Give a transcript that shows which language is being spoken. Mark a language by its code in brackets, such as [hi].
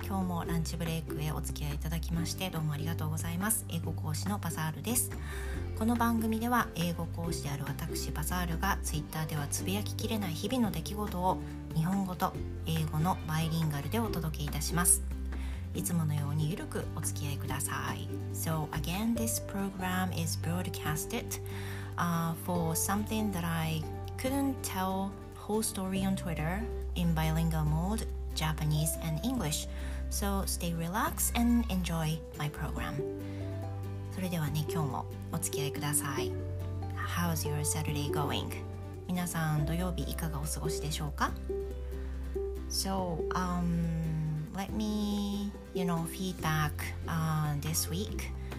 [ja] 今日もランチブレイクへお付き合いいただきましてどうもありがとうございます。英語講師のバサールです。この番組では英語講師である私バサールがツイッターではつぶやききれない日々の出来事を日本語と英語のバイリンガルでお届けいたします。いつものようにゆるくお付き合いください。 [en] So again, this program is broadcasted for something that I couldn't tell whole story on Twitter in bilingual mode, Japanese and English. So stay relaxed and enjoy my program. [ja] それではね、今日もお付き合いください。 [en] How's your Saturday going? [ja] 皆さん土曜日いかがお過ごしでしょうか? [en] So, let me, you know, feedback this week.